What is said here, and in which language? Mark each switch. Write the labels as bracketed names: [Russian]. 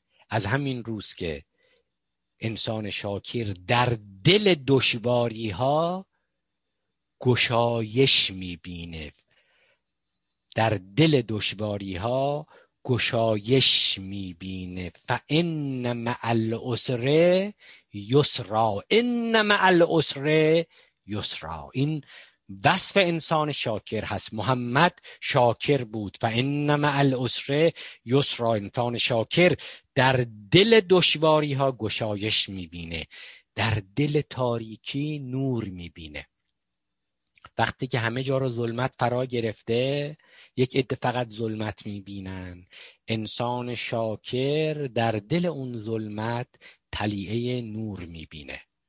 [Persian] از همین روز که انسان شاکر در دل دشواری ها گشایش میبینه، در دل دشواری ها گشایش میبینه. [Arabic] فإنما العسر یسرا، إنما العسر یسرا. [Persian] این وصف انسان شاکر هست. محمد شاکر بود. [Arabic] فإنما العسر یسرا، [Persian] انسان شاکر در دل دشواری ها گشایش میبینه، در دل تاریکی نور میبینه. وقتی که همه جا رو ظلمت فرا گرفته، یک عده فقط ظلمت میبینن، انسان شاکر در دل اون ظلمت تلیعه نور میبینه.